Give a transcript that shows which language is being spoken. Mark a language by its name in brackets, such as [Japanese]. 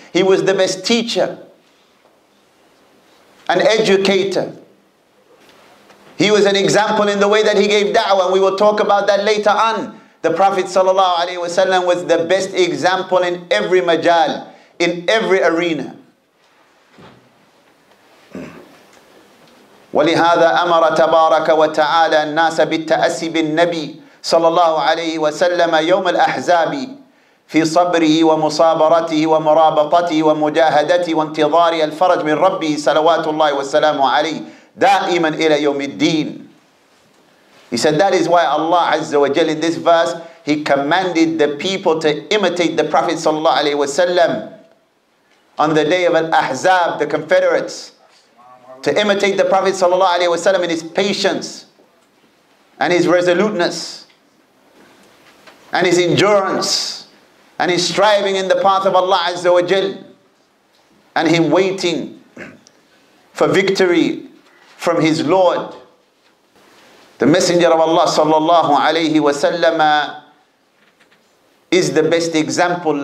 [English] He was the best teacher, an educator. He was an example in the way that he gave da'wah. We will talk about that later on. The Prophet sallallahu alaihi wasallam was the best example in every majal, in every arena. [Arabic] ولهذا أمر تبارك وتعالى الناس بالتأسي بالنبي صلى الله عليه وسلم يوم الأحزاب في صبره ومصابرته ومرابطته ومجاهدته وانتظار الفرج من ربه صلوات الله وسلامه عليه دائما إلى يوم الدين. [English] He said that is why Allah Azza wa Jalla in this verse, he commanded the people to imitate the Prophet صلى الله عليه وسلم on the day of al-Ahzab, the Confederates. To imitate the Prophet sallallahu alaihi wasallam in his patience and his resoluteness and his endurance and his striving in the path of Allah azza wa jal and him waiting for victory from his Lord, the Messenger of Allah sallallahu alaihi wasallam is the best example.